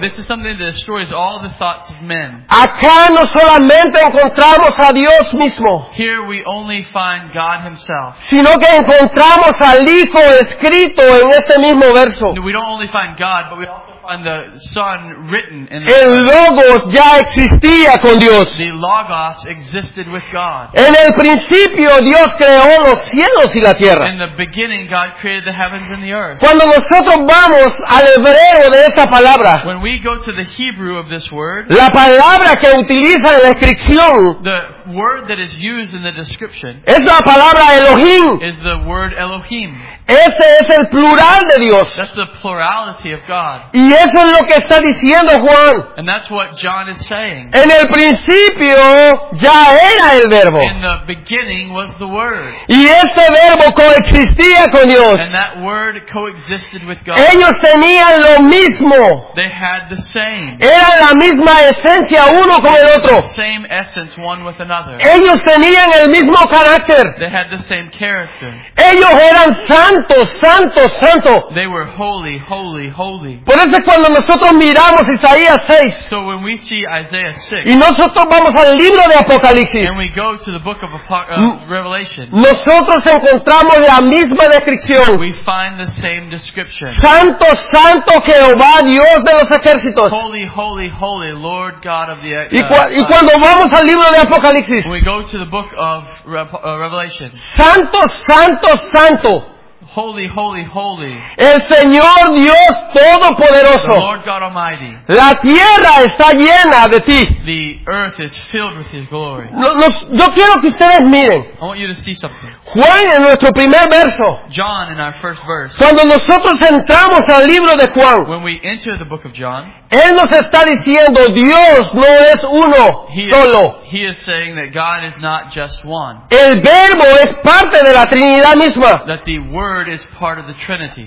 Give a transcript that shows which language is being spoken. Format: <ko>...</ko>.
<en>This is something that destroys all the thoughts of men.</en> <es>Acá no solamente encontramos a Dios mismo.</es> <en>Here we only find God himself.</en> <es>Sino que encontramos al Hijo escrito en este mismo verso.</es> <en>We don't only find God, but we also find the Son written in the</en> <es>El Logos ya existía con Dios.</es> <en>The Logos existed with God.</en> <es>En el principio Dios creó los cielos y la tierra.</es> <en>In the beginning God created the heavens and the earth.</en> <es>Cuando nosotros vamos al hebreo de esta palabra.</es> <en>When we go to the Hebrew of this word.</en> <es>La palabra que utiliza en la descripción.</es> <en>The word that is used in the description.</en> <es>Es la palabra Elohim.</es> <en>Is the word Elohim.</en> <es>Ese es el plural de Dios.</es> <en>That's the plurality of God.</en> <es>Y eso es lo que está diciendo Juan.</es> <en>And that's what John is saying.</en> <es>En el principio ya era el verbo.</es> <en>In the beginning was the word.</en> <es>Y ese verbo coexistía con Dios.</es> <en>And that word coexisted with God.</en> <es>Ellos tenían lo mismo.</es> <en>They had the same.</en> <es>Era la misma esencia uno con el otro.</es> <en>The same essence one with another.</en> <es>Ellos tenían el mismo carácter.</es> <en>They had the same character.</en> <es>Ellos eran santo, santo, santo.</es> <en>They were holy, holy, holy.</en> <es>Por eso cuando nosotros miramos Isaías 6,</es> <en>so when we see Isaiah 6</en> <es>y nosotros vamos al libro de Apocalipsis,</es> <en>and we go to the book of Revelation,</en> <es>nosotros encontramos la misma descripción.</es> <en>We find the same description.</en> <es>Santo, santo Jehová, Dios de los ejércitos.</es> <en>Holy, holy, holy, Lord God of the</en> <es>y cuando vamos al libro de Apocalipsis,</es> <en>we go to the book of Revelation,</en> <es>santo, santo, santo.</es> <en>Holy, holy, holy.</en> <es>El Señor Dios Todopoderoso.</es> <en>The Lord God Almighty.</en> <es>La tierra está llena de ti.</es> <en>The earth is filled with his glory.</en> <es>Yo quiero que ustedes miren.</es> <en>I want you to see something.</en> <es>Juan en nuestro primer verso.</es> <en>John in our first verse.</en> <es>Cuando nosotros entramos al libro de Juan.</es> <en>When we enter the book of John.</en> <es>Él nos está diciendo Dios no es uno solo.</es> <en>He is saying that God is not just one.</en> <es>El verbo es parte parte de la Trinidad misma.</es> <en>That the Word is part of the Trinity.</en>